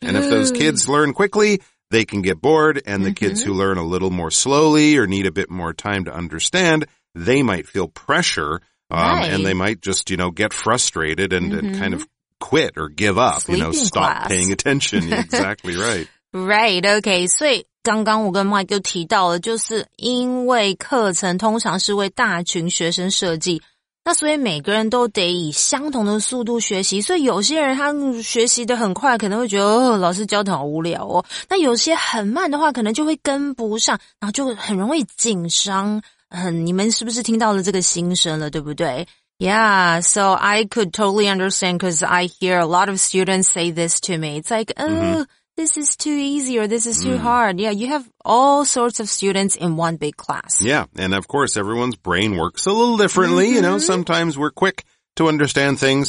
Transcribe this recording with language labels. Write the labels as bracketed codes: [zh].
[en] And if those kids learn quickly, they can get bored, and the kids who learn a little more slowly or need a bit more time to understand, they might feel pressure, and they might just, you know, get frustrated and, and kind of quit or give up, Sleeping you know, stop Paying attention. Exactly right. Right, okay. [zh] 所以刚刚我跟 Mike 就提到了，就是因为课程通常是为大群学生设计，那所以每个人都得以相同的速度学习，所以有些人他学习得很快，可能会觉得哦，老师教得好无聊哦。那有些很慢的话，可能就会跟不上，然后就很容易紧张。嗯，你们是不是听到了这个心声了，对不对？ [en] Yeah, so I could totally understand because I hear a lot of students say this to me. It's like, this is too easy or this is too hard. Yeah, you have all sorts of students in one big class. Yeah, and of course, everyone's brain works a little differently. You know, sometimes we're quick to understand things.